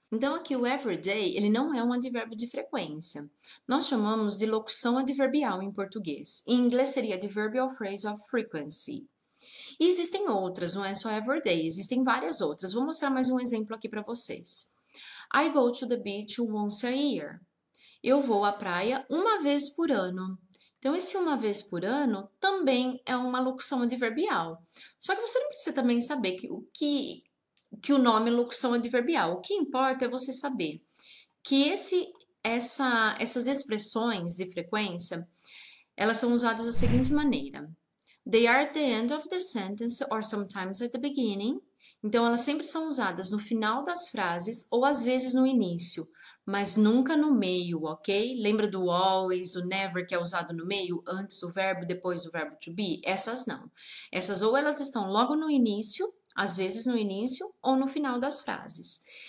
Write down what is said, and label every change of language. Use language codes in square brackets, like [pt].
[pt] Então, aqui o everyday, ele não é um advérbio de frequência. Nós chamamos de locução adverbial em português. Em inglês seria [en] adverbial phrase of frequency. [pt] E existem outras, não é só everyday, existem várias outras. Vou mostrar mais um exemplo aqui para vocês. [en] I go to the beach once a year. [pt] Eu vou à praia uma vez por ano. Então, esse uma vez por ano também é uma locução adverbial. Só que você não precisa também saber que o nome é locução adverbial. O que importa é você saber que essas expressões de frequência, elas são usadas da seguinte maneira. [en] They are at the end of the sentence or sometimes at the beginning. [pt] Então, elas sempre são usadas no final das frases ou às vezes no início, mas nunca no meio, ok? Lembra do always, o never, que é usado no meio, antes do verbo, depois do verbo to be? Essas não. Essas ou elas estão logo no início, às vezes no início ou no final das frases.